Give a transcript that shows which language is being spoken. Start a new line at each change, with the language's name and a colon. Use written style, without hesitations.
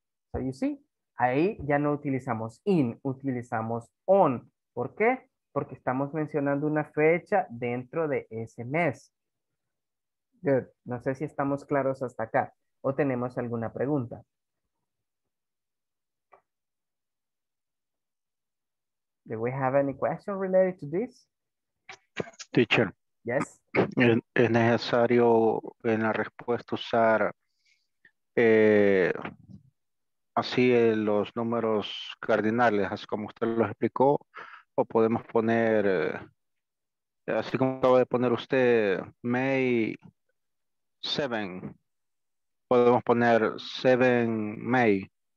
English: So you see,
Spanish: ahí ya no utilizamos in, utilizamos on. ¿Por qué? Porque estamos mencionando una fecha dentro de ese mes. Good. No sé si estamos claros hasta acá o tenemos alguna pregunta.
English: Do we have any question related to this? Teacher. Yes.
Spanish: Es necesario en la respuesta usar así los números cardinales, así como usted los explicó, o podemos poner, así como acaba de poner usted, May 7, podemos poner 7 May.